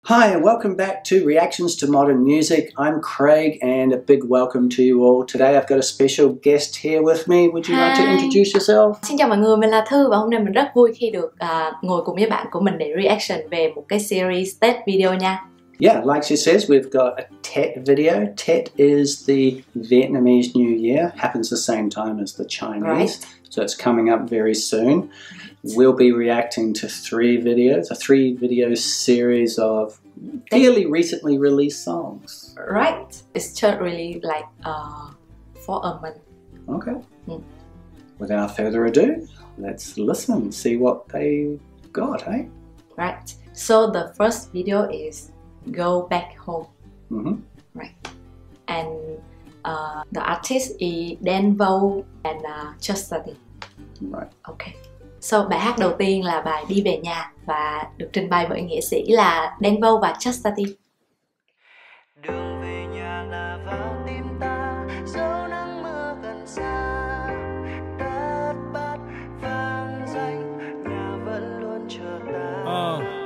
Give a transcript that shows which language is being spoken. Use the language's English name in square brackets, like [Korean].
[English] Hi, and welcome back to Reactions to Modern Music. I'm Craig, and a big welcome to you all. Today I've got a special guest here with me. Would you like to introduce yourself? [Vietnamese] Xin chào mọi người, mình là Thư, và hôm nay mình rất vui khi được ngồi cùng với bạn của mình để reaction về một cái series Tết video nha. [English] Yeah, like she says, we've got a Tet video. Tet is the Vietnamese New Year, happens the same time as the Chinese. Right. So it's coming up very soon. We'll be reacting to a three video series of fairly recently released songs. Right. It's just really like for a month. Okay. Mm. Without further ado, let's listen, see what they got, eh? Right. So the first video is Go Back Home. Mm-hmm. Right. And the artist is Dan Vo and Chastity. Right. Okay. [Vietnamese] So bài hát đầu tiên là bài Đi Về Nhà và được trình bày bởi nghệ sĩ là Dan Vo và Chastity. Đường về nhà là vào tim ta, dấu nắng mưa gần xa. Tất bật vang danh, nhà vẫn luôn chờ ta.